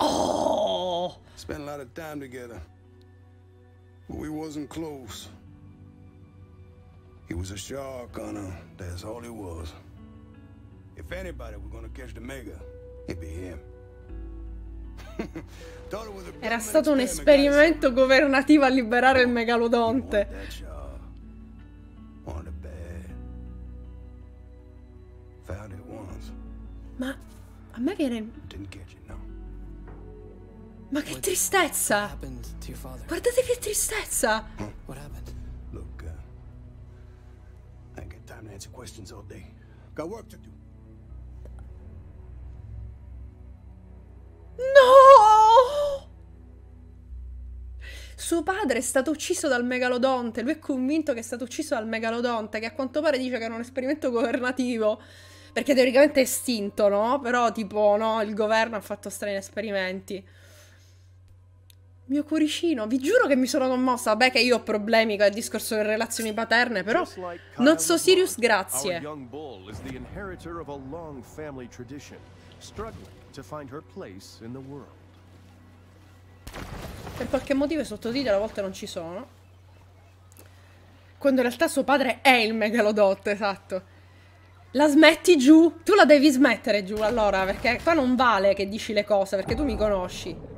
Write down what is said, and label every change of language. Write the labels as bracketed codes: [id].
[en] Oh. Spent a lot of time together. But we wasn't close. He was a shark hunter. That's all he was. If anybody were gonna catch the mega, it'd be him. [it] Era stato un esperimento governativo a liberare il megalodonte. [en] Found it once. [it] Ma a me che era... [en] Didn't catch it, no. [it] Ma che tristezza! Guardate che tristezza! [en] What happened? Look, I ain't got time to answer questions all day. Got work to do. No! [it] Suo padre è stato ucciso dal megalodonte. Lui è convinto che è stato ucciso dal megalodonte, che a quanto pare dice che era un esperimento governativo. Perché teoricamente è estinto, no? Però tipo, no, il governo ha fatto strani esperimenti. Mio cuoricino, vi giuro che mi sono commossa. Vabbè che io ho problemi con il discorso delle relazioni paterne, però... [en] Not so serious, [it] grazie. [en] Our young bull is the inheritor of a long family tradition, struggling to find her place in the world. [it] Per qualche motivo i sottotitoli a volte non ci sono. Quando in realtà suo padre è il megalodotto, esatto. La smetti giù? Tu la devi smettere giù, allora, perché qua non vale che dici le cose, perché tu mi conosci.